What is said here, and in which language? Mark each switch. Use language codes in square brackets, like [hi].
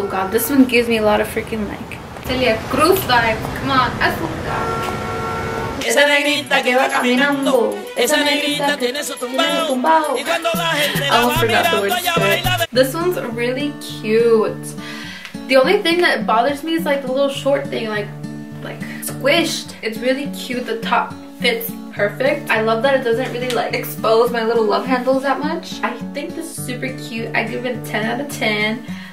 [en] This one gives me a lot of freaking like Celia Cruz vibe. Come on, azúcar. [es] Esa negrita que va caminando, esa negrita tiene su tumbao. Y cuando la gente la va mirando, ella baila. [en] This one's really cute. The only thing that bothers me is like the little short thing, like squished. It's really cute. The top fits perfect. I love that it doesn't really like expose my little love handles that much. I think this is super cute. I give it a 10 out of 10.